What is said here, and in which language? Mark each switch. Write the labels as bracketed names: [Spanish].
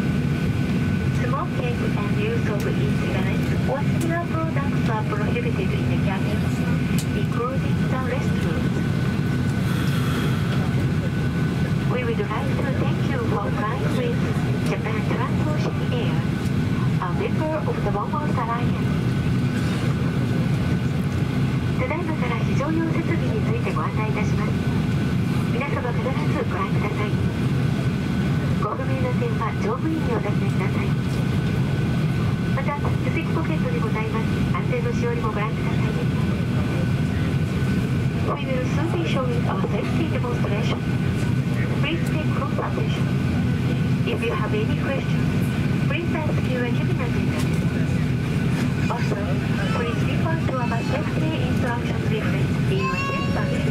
[English] Smoking and use of e-cigarettes or similar products are prohibited in the cabin, including the restrooms. We would like to thank you for flying with Japan Transocean Air, a member of the One World Alliance. [Japanese] ただいまから非常用設備についてご案内いたします。皆様必ずご覧ください。ご不明な点は乗務員にお尋ねください。また座席ポケットにございます安全のしおりもご覧ください。 [English] We will soon be showing our safety demonstration. Please take close attention. If you have any questions, please ask your cabin attendant. Also, please refer to our safety instruction leaflet in your seat pocket.